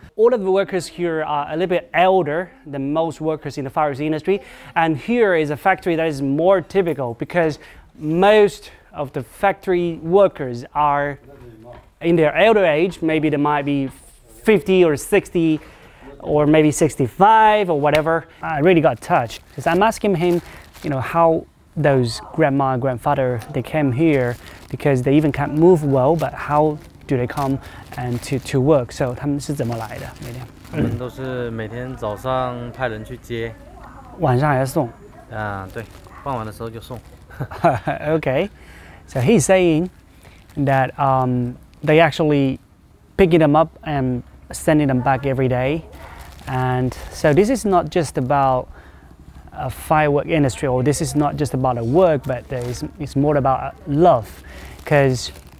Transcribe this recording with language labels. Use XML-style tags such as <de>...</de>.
<en>All of the workers here are a little bit elder than most workers in the fire industry, and here is a factory that is more typical because most of the factory workers are in their elder age, maybe they might be 50 or 60 or maybe 65 or whatever. I really got touched because I'm asking him, you know, how those grandma and grandfather, they came here because they even can't move well, but how do they come and to work?</en> <zh>So 他们是怎么来的每天？他们都是每天早上派人去接，晚上还要送。对，傍晚的时候就送。</zh> <en>Okay, so he's saying that they actually picking them up and sending them back every day, and so this is not just about a firework industry, or this is not just about a work, but it's more about love, because.</en>